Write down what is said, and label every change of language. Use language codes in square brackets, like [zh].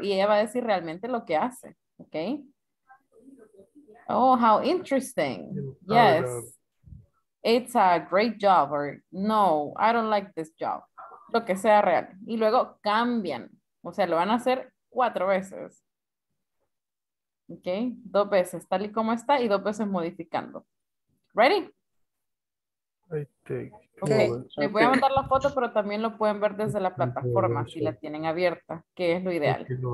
[es] Y ella va a decir realmente lo que hace, okay? [en] Oh, how interesting. Yes. It's a great job, or no, I don't like this job. [es] Lo que sea real. Y luego cambian. O sea, lo van a hacer cuatro veces. Ok, dos veces tal y como está y dos veces modificando. [en] Ready? I take [es] ok, les voy a mandar la foto, pero también lo pueden ver desde la plataforma, si la tienen abierta, que es lo ideal.